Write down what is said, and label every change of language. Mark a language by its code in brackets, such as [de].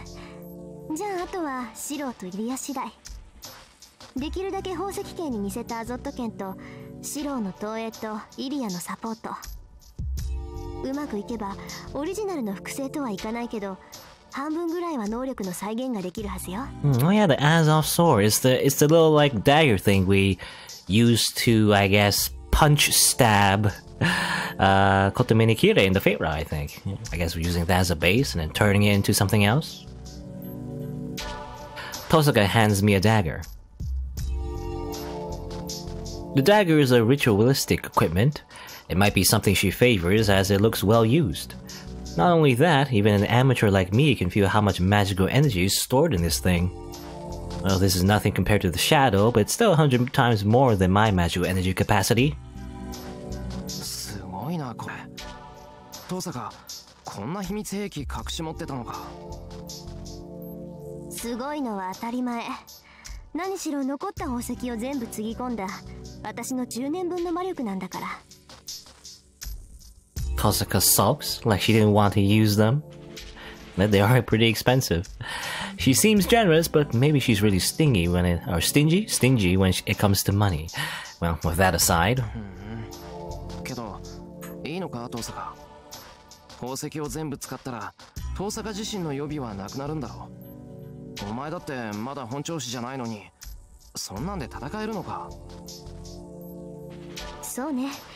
[ja] じゃあ、あとはシロとイリア次第。できるだけ宝石剣に似せたアゾット剣と、シロの投影とイリアのサポート。うまくいけば、オリジナルの複製とはいかないけど、半分ぐらいは能力の再現ができるはずよ。 [en] Oh yeah, the Azov sword. It's the little like dagger thing we used to, I guess, punch stab, Kotominikire in the Fate Rod, I think. I guess we're using that as a base and then turning it into something else. Tosuka hands me a dagger. The dagger is a ritualistic equipment. It might be something she favors as it looks well used. Not only that, even an amateur like me can feel how much magical energy is stored in this thing. Well, this is nothing compared to the shadow, but it's still 100 times more than my magical energy capacity. [ja] すごいな、これ。トーサカ、こんな秘密兵器隠し持ってたのか。すごいのは当たり前。何しろ残った宝石を全部つぎ込んだ私の10年分の魔力なんだから。 [en] Tosaka sulks, like she didn't want to use them. They are pretty expensive. She seems generous, but maybe she's really stingy when it, or stingy? Stingy when it comes to money. Well, with that aside. [ja] けど、いいのか、トーサカ。宝石を全部使ったら、トーサカ自身の予備はなくなるんだろう。お前だってまだ本調子じゃないのに、そんなんで戦えるのか。そうね。